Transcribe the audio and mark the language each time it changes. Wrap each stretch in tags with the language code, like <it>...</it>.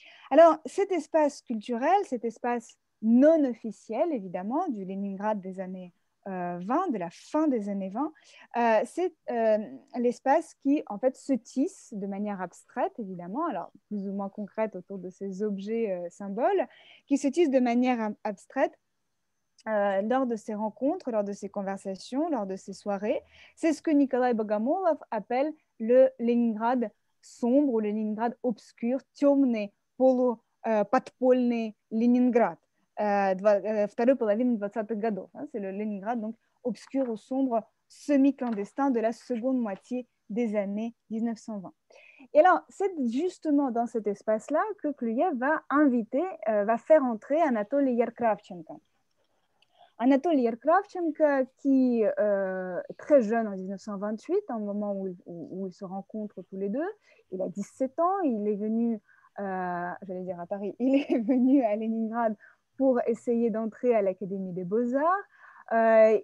<fr>Alors, cet espace culturel, cet espace non officiel, évidemment, du Leningrad des années 20, de la fin des années 20, c'est l'espace qui, en fait, se tisse de manière abstraite, évidemment, alors plus ou moins concrète autour de ces objets symboles, qui se tisse de manière abstraite lors de ces rencontres, lors de ces conversations, lors de ces soirées. C'est ce que Nikolaï Bogomolov appelle le Leningrad sombre ou le Leningrad obscur,</fr> <ru>темный, полуподпольный Ленинград. Второй половины 20-х годов.</ru> <fr>Hein, c'est le Ленинград, donc obscur ou sombre, semi-clandestin de la seconde moitié des années 1920. Et alors, c'est justement dans cet espace-là que Kluyev va inviter, va faire entrer Anatoly Yerkravchenko. Anatoly Yerkravchenko, qui est très jeune en 1928, au moment où ils se rencontrent tous les deux, il a 17 ans, il est venu, j'allais dire à Paris, il est venu à Leningrad pour essayer d'entrer à l'Académie des Beaux-Arts.</fr>